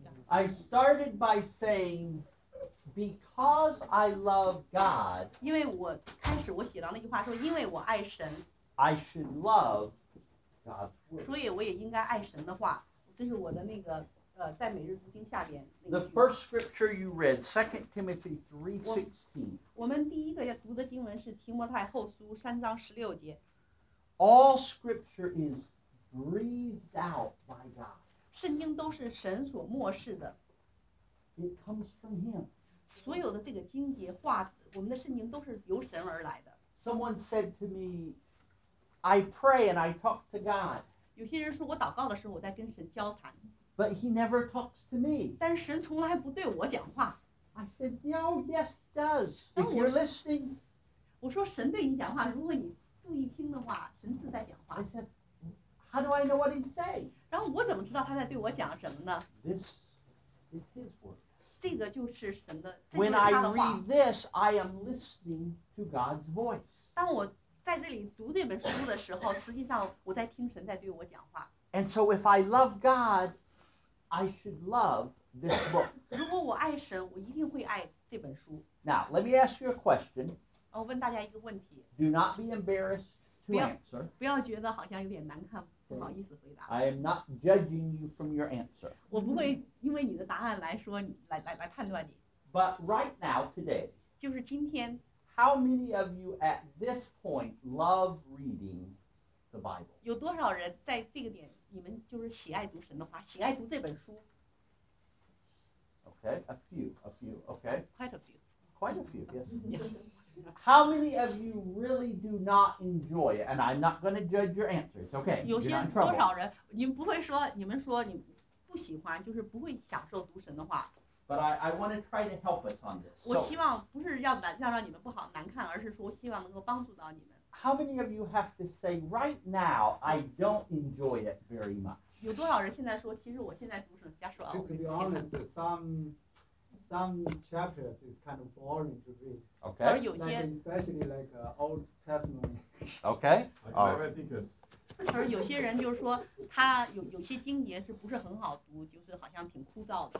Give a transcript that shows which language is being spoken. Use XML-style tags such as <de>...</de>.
<en>I started by saying, because I love God,</en> <zh>因为我开始我写到那句话说，因为我爱神，</zh> <en>I should love God's word.</en> <zh>所以我也应该爱神的话，这是我的那个在每日读经下边。</zh> <en>The first scripture you read, 2 Timothy 3:16.</en> <zh>我们第一个要读的经文是提摩太后书3:16.</zh> <en>All scripture is breathed out by God.</en> <zh>圣经都是神所默示的。</zh> <en>It comes from him.</en> <zh>所有的这个经节话，我们的圣经都是由神而来的。</zh> <en>Someone said to me, I pray and I talk to God.</en> <zh>有些人说我祷告的时候我在跟神交谈。</zh> <en>But he never talks to me.</en> <zh>但是神从来不对我讲话。</zh> <en>I said, no, yes, he does. If you're listening.</en> <zh>我说神对你讲话，如果你注意听的话，神自在讲话。</zh> <en>I said, how do I know what he's saying?</en> <zh>然后我怎么知道他在对我讲什么呢</zh> <en>？This is his word.</en> <zh>这个就是神的。</zh> <en>When I read this, I am listening to God's voice.</en> <zh>当我在这里读这本书的时候，实际上我在听神在对我讲话。</zh> <en>And so, if I love God, I should love this book.</en> <zh>如果我爱神，我一定会爱这本书。</zh> <en>Now, let me ask you a question.</en> <zh>我问大家一个问题。</zh> <en>Do not be embarrassed to answer.</en> <zh>不要觉得好像有点难看。</zh> <en>I am not judging you from your answer.</en> <zh>我不会因为你的答案来说来判断你。</zh> <en>But right now, today,</en> <zh>就是今天。</zh> <en>How many of you at this point love reading the Bible?</en> <zh>有多少人在这个点，你们就是喜爱读神的话，喜爱读这本书</zh> <en>？Okay, a few. Okay. Quite a few. Yes. How many of you really do not enjoy it? And I'm not going to judge your answers. Okay, you're not in trouble.</en> <zh>有些多少人，你们不会说，你们说你不喜欢，就是不会享受读神的话。</zh> <en>But I want to try to help us on this.</en> <zh>我希望不是要让你们不好难看，而是说我希望能够帮助到你们。</zh> <en>How many of you have to say right now I don't enjoy it very much?</en> <zh>有多少人现在说，其实我现在读神，假说啊，我不喜欢。</zh> <en>To be honest, some chapters is kind of boring to read. Okay. Like especially like Old Testament. Okay. Leviticus.</en> <zh>而有些人就是说，他有些经节是不是很好读，就是好像挺枯燥的。</zh>